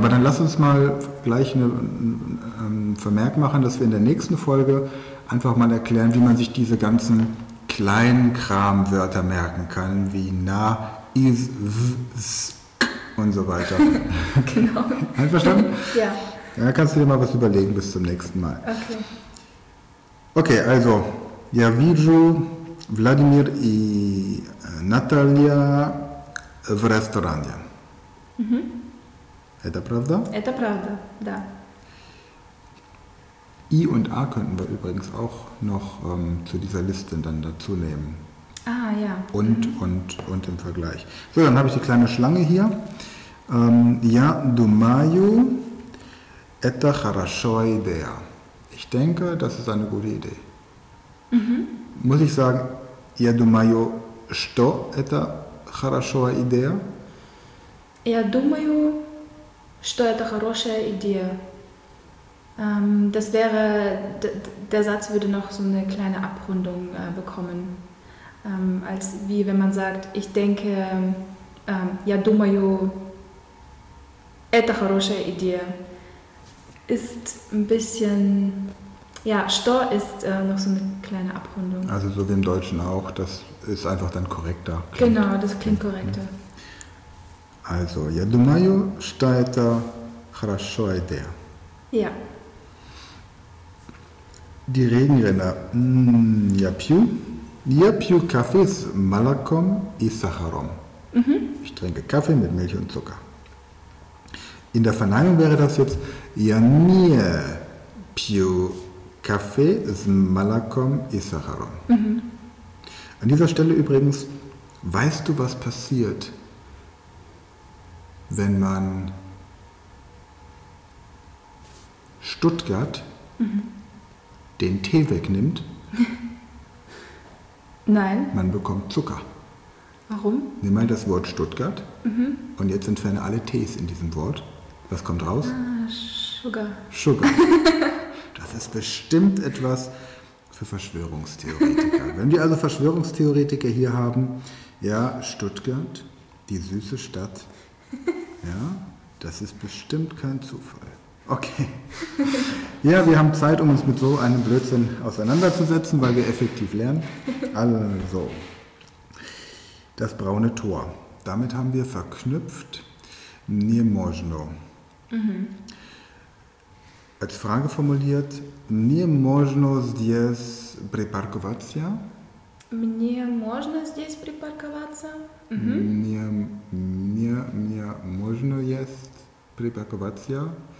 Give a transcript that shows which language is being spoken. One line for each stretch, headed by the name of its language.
German: Aber dann lass uns mal gleich einen Vermerk machen, dass wir in der nächsten Folge einfach mal erklären, wie man sich diese ganzen kleinen Kramwörter merken kann, wie na, is, w, s, k und so weiter. Genau. Einverstanden? Ja. Dann kannst du dir mal was überlegen bis zum nächsten Mal. Okay. Okay, also, ja,
Russian: вижу Wladimir и Наталья в ресторане. Это правда? Это правда, да.
German: I und A könnten wir übrigens auch noch zu dieser Liste dann dazu nehmen. Ah, ja. Und im Vergleich. So, dann habe ich die kleine Schlange hier. Ja,
Russian: думаю, это хорошая идея.
German: Ich denke, das ist eine gute Idee. Muss ich sagen,
Russian: я думаю, что это хорошая идея? Я думаю, что это хорошая идея.
German: Das wäre, der Satz würde noch so eine kleine Abrundung bekommen. Als wie wenn man sagt, ich denke, ja,
Russian: думаю, это хорошая идея,
German: ist ein bisschen, ja, stor ist noch so eine kleine Abrundung. Also so wie im Deutschen auch, das ist einfach dann korrekter. Klingt. Genau, das klingt korrekter. Also,
Russian: я думаю, что это хорошая идея.
German: Ja. Die Regenrinne, ja,
Russian: пью. Я пью кафе с молоком и сахаром. Mhm.
German: Ich trinke Kaffee mit Milch und Zucker. In der Verneinung wäre das jetzt
Russian: Я не пью кафе с молоком и сахаром. Mhm.
German: An dieser Stelle übrigens, weißt du, was passiert, wenn man Stuttgart den Tee wegnimmt? Nein. Man bekommt Zucker. Warum? Nimm mal das Wort Stuttgart. Mhm. Und jetzt entferne alle Ts in diesem Wort. Was kommt raus?
English: Sugar. Sugar.
German: Das ist bestimmt etwas für Verschwörungstheoretiker. Wenn wir also Verschwörungstheoretiker hier haben, ja, Stuttgart, die süße Stadt, ja, das ist bestimmt kein Zufall. Okay. Ja, wir haben Zeit, um uns mit so einem Blödsinn auseinanderzusetzen, weil wir effektiv lernen. Also, das braune Tor. Damit haben wir verknüpft
Russian: «не можно». Mhm.
German: Als Frage formuliert
Russian: «не можно здесь припарковаться?» «Мне можно здесь припарковаться?» «Мне можно здесь припарковаться?»